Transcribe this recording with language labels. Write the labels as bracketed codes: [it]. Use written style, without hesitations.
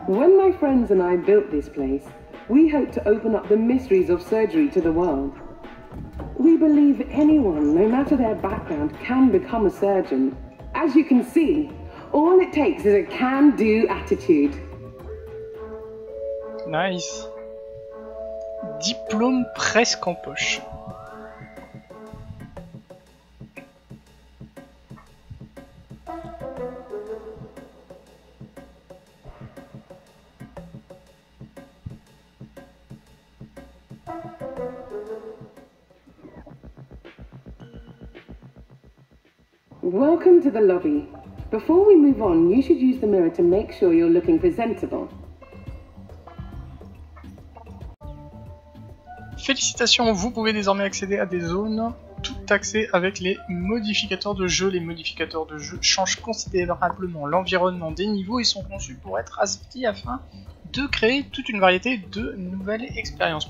[en] When my friends and I built this place, we hoped to open up the mysteries of surgery to the world. We believe anyone, no matter their background, can become a surgeon. As you can see, all it takes is a can-do attitude. Nice. [fr] Diplôme presque en poche. [en] Welcome to the lobby. Before we move on, you should use the mirror to make sure you're looking presentable. [fr] Félicitations, vous pouvez désormais accéder à des zones toutes taxées avec les modificateurs de jeu. Les modificateurs de jeu changent considérablement l'environnement des niveaux et sont conçus pour être assortis afin de créer toute une variété de nouvelles expériences.